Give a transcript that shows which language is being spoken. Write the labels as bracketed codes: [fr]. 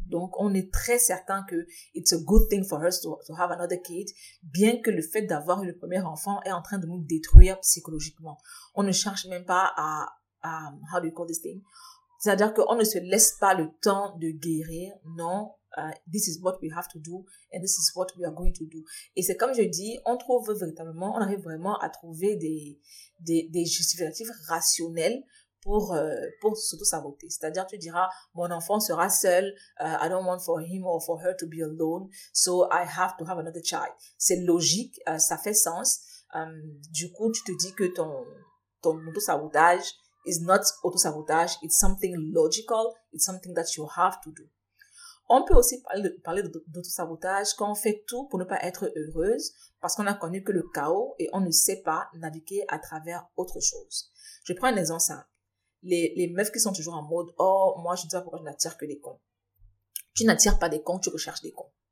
[fr] Donc, on est très certain que [en] it's a good thing for us to have another kid, [fr] bien que le fait d'avoir eu le premier enfant est en train de nous détruire psychologiquement. On ne cherche même pas à [en] how do you call this thing? [fr] C'est-à-dire qu'on ne se laisse pas le temps de guérir, non. [en] This is what we have to do and this is what we are going to do. [fr] Et c'est comme je dis, on trouve véritablement, on arrive vraiment à trouver des justificatifs rationnels pour s'auto-saboter. C'est-à-dire, tu diras, mon enfant sera seul, [en] I don't want for him or for her to be alone, so I have to have another child. [fr] C'est logique, ça fait sens. Du coup, tu te dis que ton auto-sabotage [en] is not auto-sabotage, it's something logical, it's something that you have to do. [fr] On peut aussi parler d'auto-sabotage quand on fait tout pour ne pas être heureuse parce qu'on a connu que le chaos et on ne sait pas naviguer à travers autre chose. Je prends un exemple simple. Les meufs qui sont toujours en mode « Oh, moi, je ne sais pas pourquoi je n'attire que des cons. » Tu n'attires pas des cons, tu recherches des cons.